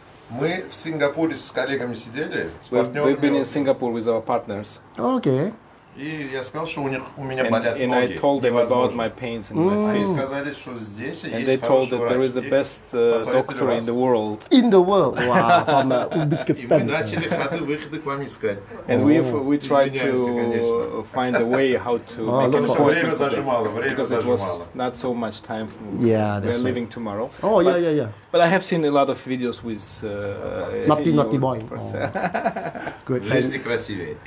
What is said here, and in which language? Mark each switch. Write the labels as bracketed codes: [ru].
[ru] Мы в Сингапуре с коллегами сидели. [en] We've been in Singapore with our partners. Okay. [ru] И я сказал, что у меня болят ноги. [en] And I told them about my pains and my face. [ru] И сказали, что здесь есть хороший врач. [en] And they told that there is the best doctor in the world. In the world? Wow. [ru] И мы начали ходы, выходы к вам искать. [en] And we tried to find a way how to make an appointment. [ru] Время зажимало. [en] Because it was not so much time. Yeah. We're leaving tomorrow. Oh, yeah. But I have seen a lot of videos with Naughty boy. Good. Лезди красивее.